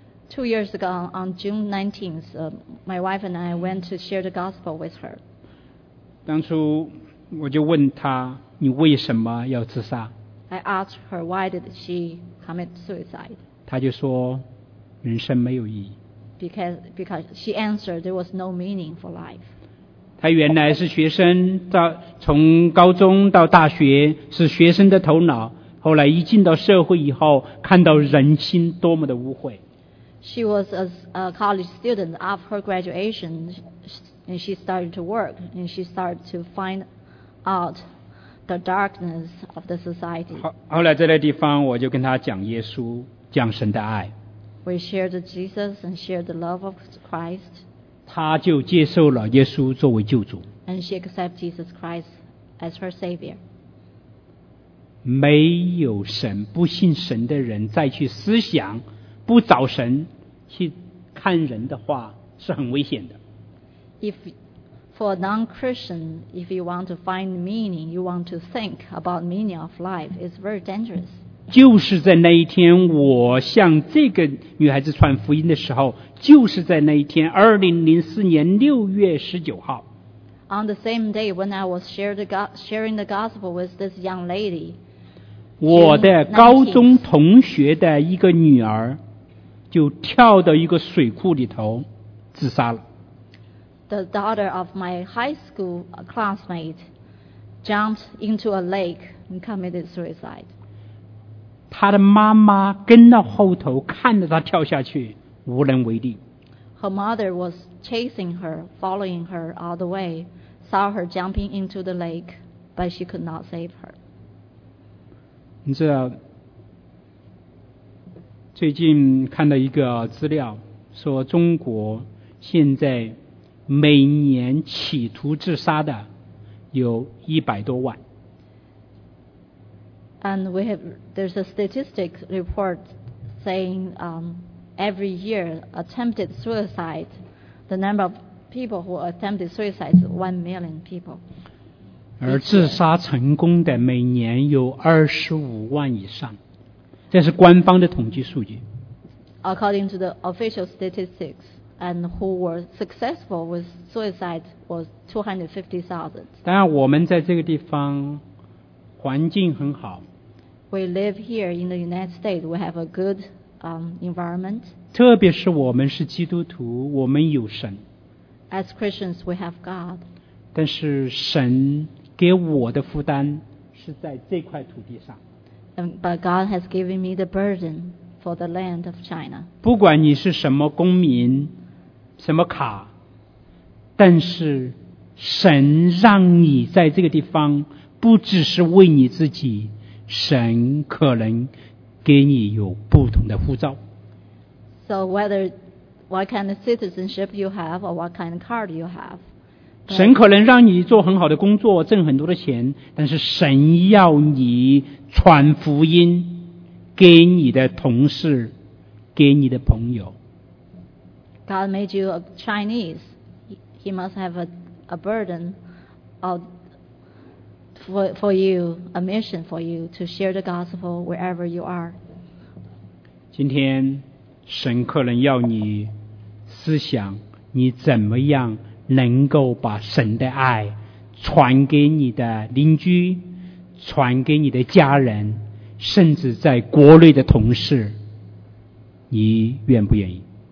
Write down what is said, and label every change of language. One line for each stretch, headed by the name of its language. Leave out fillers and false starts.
English: 2 years ago, on June 19th, my wife and I went to share the gospel with her.
Chinese: 当初我就问她，你为什么要自杀？
English: I asked her, why did she commit suicide?
Chinese: 她就说，人生没有意义。
English: Because she answered, there was no meaning for life.
Chinese: 她原来是学生，从高中到大学，是学生的头脑，后来一进到社会以后，看到人心多么的污秽。
English: She was a college student after her graduation, and she started to work, and she started to find out the darkness of the society.
Chinese: 后来在那地方，我就跟她讲耶稣，讲神的爱。
English: We shared Jesus and shared the love of Christ.
Chinese: 她就接受了耶稣作为救主。
English: And she accepted Jesus Christ as her savior.
Chinese: 没有神，不信神的人再去思想。不找神去看人的话是很危险的。
English: If for a non-Christian, if you want to find meaning, you want to think about meaning of life, it's very dangerous.
Chinese: 就是在那一天，我向这个女孩子传福音的时候，就是在那一天，2004年6月19号。
English: On the same day when I was sharing the gospel with this young lady,
Chinese: 我的高中同学的一个女儿。就跳到一个水库里头自杀了。
English: The daughter of my high school classmate jumped into a lake and committed suicide.
Chinese: 她的妈妈跟到后头看着她跳下去无能为力。
English: Her mother was chasing her, following her all the way, saw her jumping into the lake, but she could not save her.
Chinese: 你知道最近看到一个资料，说中国现在每年企图自杀的有100多万。
English: And we have, there's a statistic report saying every year attempted suicide, the number of people who attempted suicide is 1 million people.
Chinese: 而自杀成功的每年有25万以上，这是官方的统计数据。
English: According to the official statistics, and who were successful with suicide was 250,000.
Chinese: 当然，我们在这个地方环境很好。
English: We live here in the United States. We have a good environment.
Chinese: 特别是我们是基督徒，我们有神。
English: As Christians, we have God.
Chinese: 但是神给我的负担是在这块土地上。
English: But God has given me the burden for the land of China.
Chinese: 不管你是什么公民，什么卡，但是神让你在这个地方，不只是为你自己，神可能给你有不同的护照。
English: So whether what kind of citizenship you have or what kind of card you have.
Chinese: 神可能让你做很好的工作，挣很多的钱，但是神要你传福音给你的同事，给你的朋友。
English: God made you a Chinese. He must have a burden of for you, a mission for you to share the gospel wherever you are.
Chinese: 今天神可能要你思想你怎么样能够把神的爱传给你的邻居，传给你的家人，甚至在国内的同事，你愿不愿意？